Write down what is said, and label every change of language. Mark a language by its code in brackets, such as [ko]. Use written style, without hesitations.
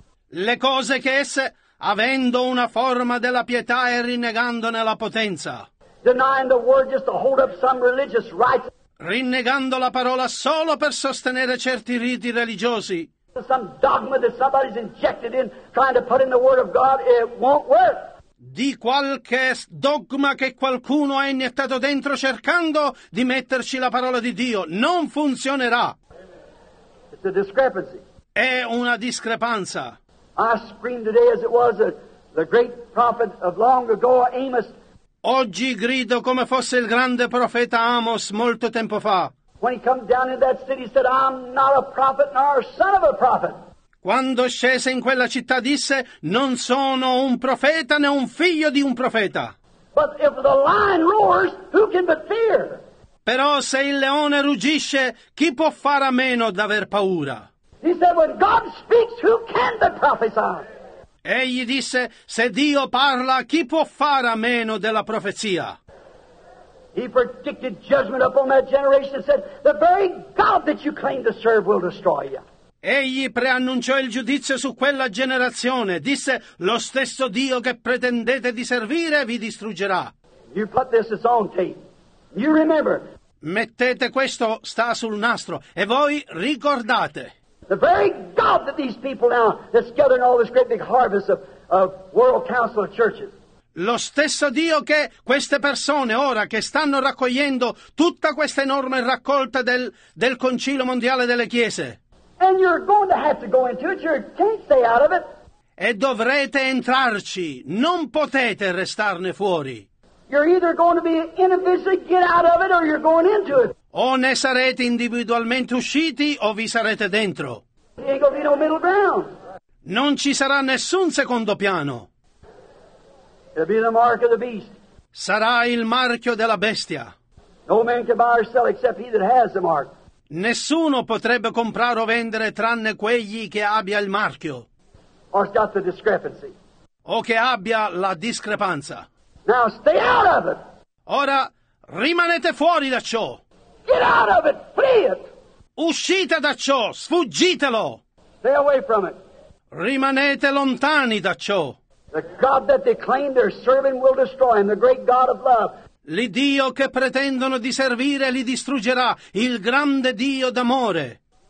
[it] Le cose che esse, avendo una forma della pietà e rinnegandone la potenza, [en] denying the word just to hold up some religious rites, [it] rinnegando la parola solo per sostenere certi riti religiosi, [en] some dogma that somebody's injected in trying to put in the word of God, it won't work. [it] Di qualche dogma che qualcuno ha iniettato dentro cercando di metterci la parola di Dio, non funzionerà. [en] It's a discrepancy. [it] È una discrepanza. [en] I scream today as it was the great prophet of long ago, Amos. [it] Oggi grido come fosse il grande profeta Amos molto tempo fa. [en] When he came down in that city, he said, I'm not a prophet nor a son of a prophet. [it] Quando scese in quella città, disse, non sono un profeta né un figlio di un profeta. [en] But if the lion roars, who can but fear? [it] Però se il leone ruggisce, chi può fare a meno d'aver paura? [en] He said, when God speaks, who can but prophesy? [it] Egli disse, se Dio parla, chi può fare a meno della profezia? [en] He predicted judgment upon that generation and said, the very God that you claim to serve will destroy you. [it] Egli preannunciò il giudizio su quella generazione. Disse, lo stesso Dio che pretendete di servire vi distruggerà. [en] You put this on tape. You remember. [it] Mettete questo, sta sul nastro, e voi ricordate. [en] The very God that these people now that's gathering all this great big harvest of world council of churches. [it] Lo stesso Dio che queste persone ora che stanno raccogliendo tutta questa enorme raccolta del Concilio Mondiale delle Chiese. [en] And you're going to have to go into it. You can't stay out of it. [it] E dovrete entrarci. Non potete restarne fuori. [en] You're either going to be individually get out of it or you're going into it. [it] O ne sarete individualmente usciti o vi sarete dentro. [en] There ain't gonna be no middle ground. [it] Non ci sarà nessun secondo piano. [en] It'll be the mark of the beast. [it] Sarà il marchio della bestia. [en] No man can buy or sell except he that has the mark. [it] Nessuno potrebbe comprare o vendere tranne quegli che abbia il marchio o che abbia la discrepanza. [en] Now stay out of it. [it] Ora rimanete fuori da ciò. [en] Get out of it. Free it. [it] Uscite da ciò, sfuggitelo. [en] Stay away from it. [it] Rimanete lontani da ciò. [en] The God that they claim they're serving will destroy him, the great God of love. [it] L'Iddio che pretendono di servire li distruggerà, il grande Dio d'amore.